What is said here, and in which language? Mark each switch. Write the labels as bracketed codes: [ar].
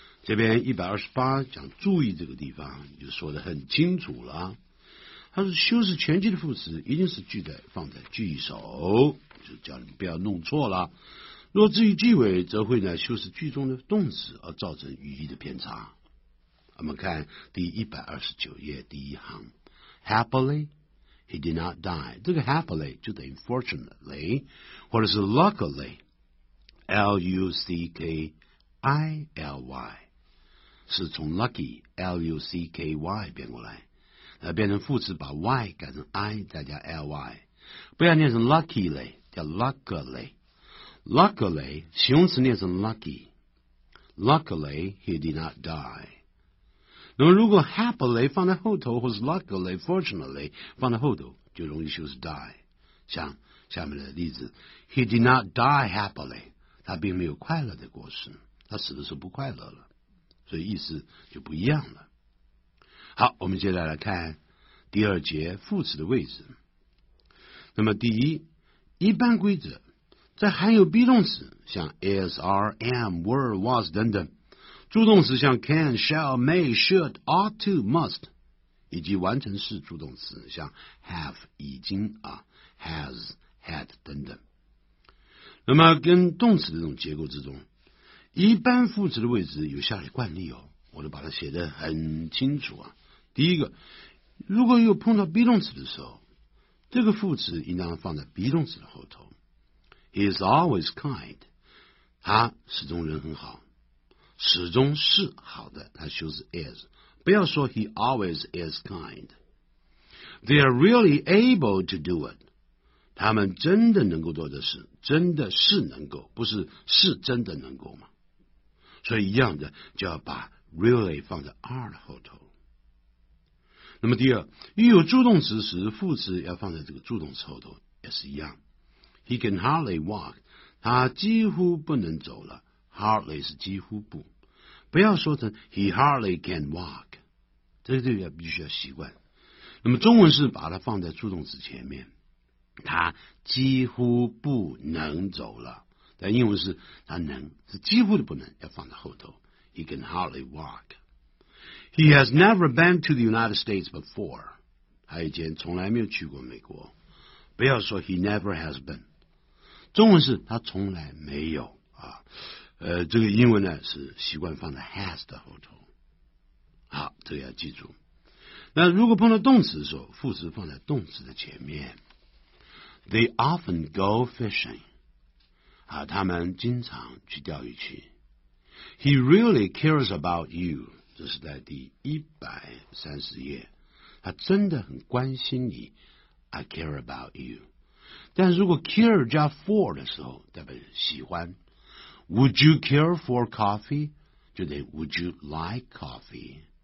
[zh] 这边128讲注意这个地方就说得很清楚了，他说修饰全句的副词一定是句的放在句首，就叫你们不要弄错了，若至于句尾则会呢修饰句中的动词而造成语义的偏差。我们看第129页第一行， [en] Happily he did not die， [zh] 这个 happily 就等于 fortunately 或者是 luckily， L-U-C-K-I-L-Y 是从 lucky L-U-C-K-Y 变过来，那变成副词把 Y 改成 I 再加 L-Y， 不要念成 luckily 叫 luckily， luckily 形容词念成 lucky， [en] luckily he did not die。 [zh] 那么如果 happily 放在后头，或是 luckily fortunately 放在后头，就容易修饰 die， 像下面的例子， [en] he did not die happily， [zh] 他并没有快乐的过世，他死的时候不快乐了，所以意思就不一样了。好，我们接下来看第二节副词的位置。那么第一，一般规则在含有 be 动词像 is, are, am, were, was 等等，助动词像 can, shall, may, should, ought to, must， 以及完成式助动词像 have, 已经啊 has, had 等等。那么跟动词的这种结构之中，一般副词的位置有下列惯例哦，我都把它写得很清楚啊。第一个，如果有碰到 be 动词的时候，这个副词应当放在 be 动词的后头。 [en] He is always kind， [zh] 他始终人很好。始终是好的，他修饰 is， 不要说 he always is kind。 [en] They are really able to do it， [zh] 他们真的能够做的事，真的是能够，不是是真的能够吗？所以一样的就要把 really 放在 are 的后头。那么第二，一有助动词时，副词要放在这个助动词后头，也是一样。 [en] He can hardly walk， [zh] 他几乎不能走了，Hardly 是几乎不，不要说成 [en] He hardly can walk， [zh] 这个要必须要习惯。那么中文是把它放在助动词前面，他几乎不能走了，但英文是他能，是几乎的不能，要放在后头。 [en] He can hardly walk。 He has never been to the United States before， [zh] 他以前从来没有去过美国。不要说 [en] He never has been， [zh] 中文是他从来没有啊。这个英文呢是习惯放在 has 的后头，好，这个要记住。那如果碰到动词的时候，副词放在动词的前面。 [en] They often go fishing， [zh] 啊，他们经常去钓鱼去。 [en] He really cares about you， [zh] 这是在第130页，他真的很关心你。 [en] I care about you， [zh] 但如果 care 加 for 的时候，代表喜欢。 [en] Would you care for coffee? [zh] 就得 [en] Would you like coffee?